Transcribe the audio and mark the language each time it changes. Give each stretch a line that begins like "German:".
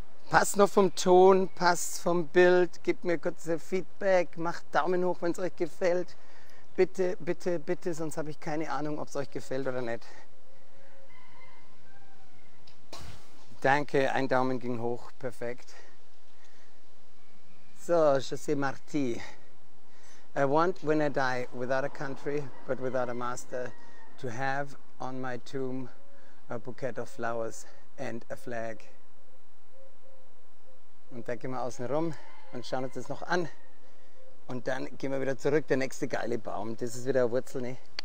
German: Passt noch vom Ton, passt vom Bild, gebt mir kurz Feedback, macht Daumen hoch, wenn es euch gefällt. Bitte, bitte, bitte, sonst habe ich keine Ahnung, ob es euch gefällt oder nicht. Danke, ein Daumen ging hoch, perfekt. So, José Martí.
English: I want, when I die, without a country, but without a master, to have on my tomb a bouquet of flowers and a flag.
German: Und da gehen wir außen rum und schauen uns das noch an. Und dann gehen wir wieder zurück, der nächste geile Baum. Das ist wieder eine Wurzel, ne?